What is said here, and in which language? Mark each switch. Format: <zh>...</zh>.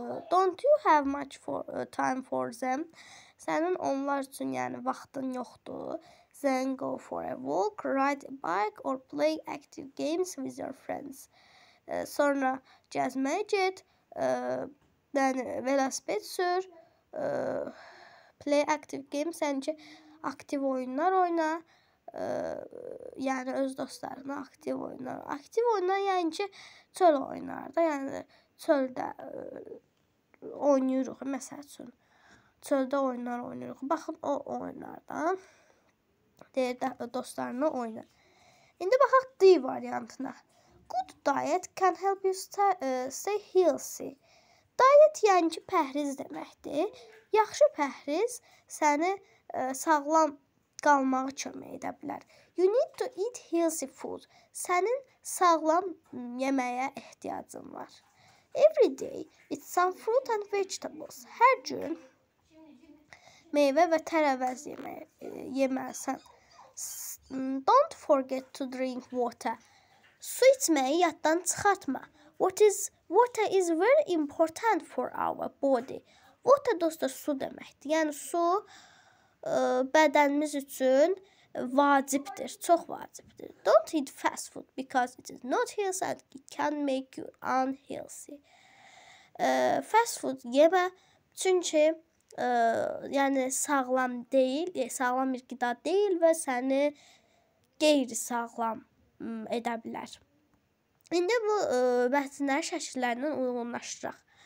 <en>Don't you have much time for them?</en> <az>Sənin onlar üçün yəni vaxtın yoxdur.</az> <en>Then go for a walk, ride a bike or play active games with your friends.</en> <az>Sonra gəzməyə get, yəni velosiped sür,</az> <en>play active games,</en> <az>yəni ki, aktiv oyunlar oyna, yəni öz dostlarına aktiv oyunlar. Aktiv oyunlar yəni ki, çöl oyunlar da, yəni çöldə oynayırıq, məsəl üçün. Çöldə oyunlar oynayırıq, baxın o oyunlardan. Deyir, dostlarını oyna. İndi baxaq D variantına.</az> <en>Good diet can help you stay healthy.</en> <az>Diet yəni ki, pəhriz deməkdir. Yaxşı pəhriz səni sağlam qalmağı kömək edə bilər.</az> <en>You need to eat healthy food.</en> <az>Sənin sağlam yeməyə ehtiyacın var.</az> <en>Every day eat some fruit and vegetables.</en> <az>Hər gün meyvə və tərəvəz yeməlisən.</az> <en>Don't forget to drink water.</en> <az>Su içməyi yaddan çıxartma.</az> <en>Water is very important for our body.</en> <az>Water dostlar su deməkdir. Yəni su bədənimiz üçün vacibdir, çox vacibdir.</az> <en>Don't eat fast food because it is not healthy and it can make you unhealthy.</en> <az>Fast food yemə çünki yəni sağlam deyil, sağlam bir qida deyil və səni qeyri-sağlam edə bilər. İndi bu mətnləri şəkillərindən uyğunlaşdıraq.</az>